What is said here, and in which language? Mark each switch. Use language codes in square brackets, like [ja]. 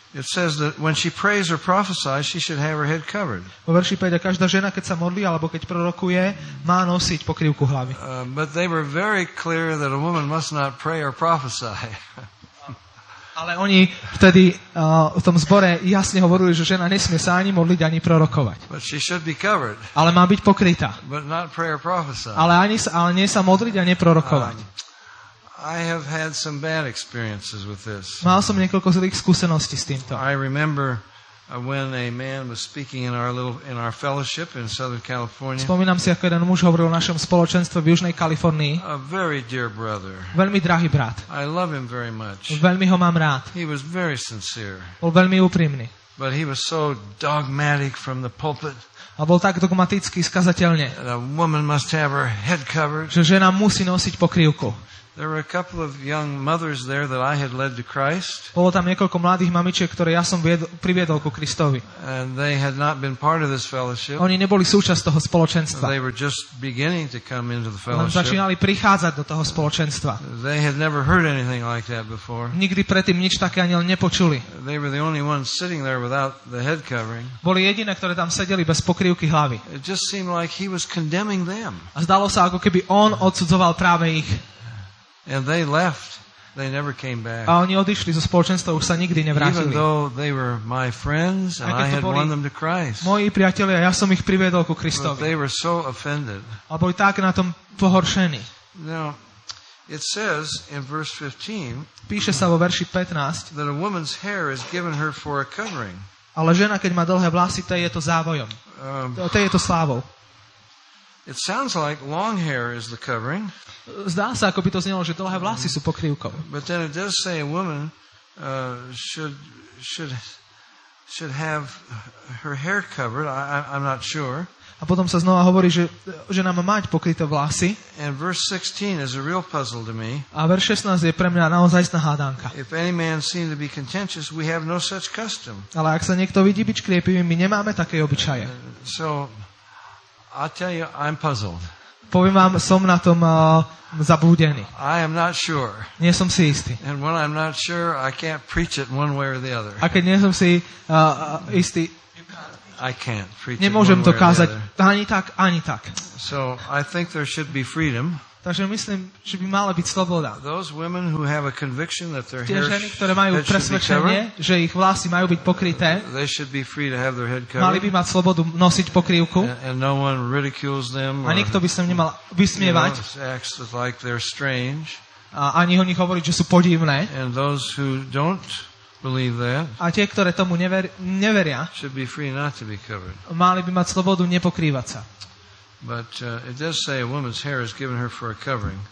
[en] It says that when she prays or prophesies, she should have her head covered. [sk] Vo verši 5, a každá žena, keď sa modlí, alebo keď prorokuje, má nosiť pokrývku hlavy. [en] But they were very clear that a woman must not pray or prophesy. [sk] Ale oni vtedy v tom zbore jasne hovorili, že žena nesmie sa ani modliť, ani prorokovať. [en] But she should be covered. [sk] Ale má byť pokrytá. [en] But not pray or prophesy. [sk] Ale nie sa modliť a neprorokovať. [en] I have had some bad experiences with this. [sk] Mal som niekoľko zlých skúseností s týmto. [en] I remember when a man was speaking in our fellowship in Southern California. [sk] Spomínam si, ako jeden muž hovoril o našom spoločenstve v Južnej Kalifornii. [en] A very dear brother. [sk] Veľmi drahý brat. [en] I love him very much. [sk] Veľmi ho mám rád. [en] He was very sincere. [sk] Bol veľmi úprimný. [en] But he was so dogmatic from the pulpit. [sk] A bol tak dogmatický skazateľne. [en] A woman must have her head covered. [sk] Že žena musí nosiť pokrývku. [en] There were a couple of young mothers there that I had led to Christ. [sk] Bolo tam niekoľko mladých mamičiek, ktoré ja som priviedol ku Kristovi. [en] And they had not been part of this fellowship. [sk] Oni neboli súčasť toho spoločenstva. [en] They were just beginning to come into the fellowship. [sk] Oni začínali prichádzať do toho spoločenstva. [en] They had never heard anything like that before. [sk] Nikdy predtým nič také ani nepočuli. [en] They were the only ones sitting there without the head covering. [sk] Boli jediné, ktoré tam sedeli bez pokrývky hlavy. [en] It just seemed like he was condemning them. [sk] A zdalo sa, ako keby on odsudzoval práve ich. [en] And they left. They never came back. [sk] A oni odišli zo spoločenstva, už sa nikdy nevrátili. [en] Even though they were my friends and I had won them to Christ. [sk] Moji priatelia, ja som ich priviedol ku Kristovi. [en] They were so offended. [sk] A boli tak na tom pohoršení. [en] Now, it says in verse 15. [sk] Píše sa vo verši 15. [en] That a woman's hair is given her for a covering. [sk] Ale žena, keď má dlhé vlasy, tej je to závojom. Tej je to slávou. [en] It sounds like long hair is the covering. [sk] Zdá sa, ako by to znelo, že dlhé vlasy sú pokrývkou. [en] But then it does say a woman should have her hair covered. I'm not sure. [sk] A potom sa znova hovorí, že nám mať pokryté vlasy. [en] And verse 16 is a real puzzle to me. [sk] A verš 16 je pre mňa naozajstná hádanka. [en] If any man seem to be contentious, we have no such custom. [sk] Ale ak sa niekto vidí byť škriepivý, my nemáme také obyčaje. [en] So I tell you, I'm puzzled. [sk] Poviem vám, som na tom zabúdený. [en] I am not sure. [sk] Nie som si istý. [en] And when I'm not sure, I can't preach it one way or the other. [sk] A keď nie som si istý, [en] I can't preach. [sk] Nemôžem to kázať ani tak, ani tak. [en] So I think there should be freedom. [sk] Takže myslím, že by mala byť sloboda. [en] Those women who have a conviction that their [sk] hair, ženy, ktoré majú presvedčenie, že ich vlasy majú byť pokryté, [en] they should be free to have their head covered. [sk] Mali by mať slobodu nosiť pokrývku. [en] And no one ridicules them. [sk] A nikto by sa nemal vysmievať. [en] Like they're strange. [sk] A ani o nich hovoriť, že sú podivné. [en] And those who don't believe that. [sk] A tie, ktoré tomu neveria. [en] Should be free not to be covered. [sk] Mali by mať slobodu nepokrývať sa. [en] But it does say a woman's hair is given her for a covering.